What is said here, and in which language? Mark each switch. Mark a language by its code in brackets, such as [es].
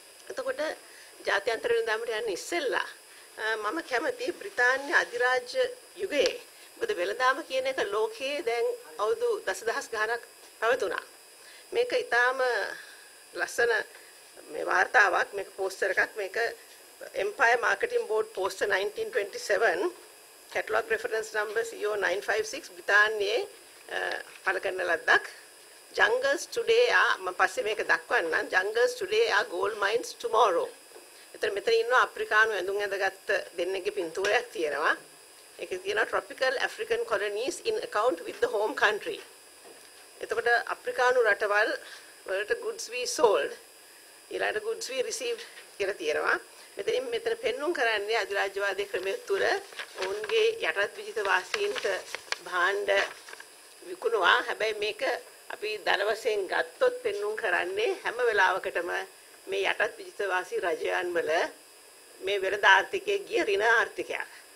[si] එතකොට ජාත්‍යන්තර වෙළඳාමට යන්න ඉස්සෙල්ලා මම කැමති බ්‍රිතාන්‍ය අධිරාජ්‍ය යුගයේ, මොකද වෙළඳාම කියන එක ලෝකයේ දැන් අවුරුදු දසදහස් ගණනක් පැවතුණා. මේක ඉතාම ලස්සන මේ වார்த்தාවක්, මේක පෝස්ටර් එකක්, මේක Empire Marketing Board Poster 1927 Catalog Reference Number CO956 බ්‍රිතාන්‍යයේ පළකරන ලද්දක්. [en] Jungles Today are, [si] මම පස්සේ මේක දක්වන්නම්, [en] Jungles Today are Gold Mines Tomorrow. [si] එතන මෙතන ඉන්න අප්‍රිකානු ඇඳුම් ඇඳගත් දෙන්නෙක්ගේ පින්තූරයක් තියෙනවා. ඒකේ තියෙනවා [en] Tropical African Colonies in Account with the Home Country. [si] එතකොට අප්‍රිකානු රටවල් වලට [en] goods we sold, [si] ඊළඟට [en] goods we received [si] කියලා තියෙනවා. මෙතනින් මෙතන පෙන්නුම් කරන්නේ අධිරාජ්‍යවාදී ක්‍රමය තුළ ඔවුන්ගේ යටත් විජිත වාසීන්ට භාණ්ඩ විකුණුවා. හැබැයි මේක අපි ධන වශයෙන් ගත්තොත් පෙන්නුම් කරන්නේ හැම වෙලාවකටම මේ යටත් විජිත වාසී රජයන්වල මේ වෙළඳ ආර්ථිකයේ ගිය ඍණ ආර්ථිකයක්.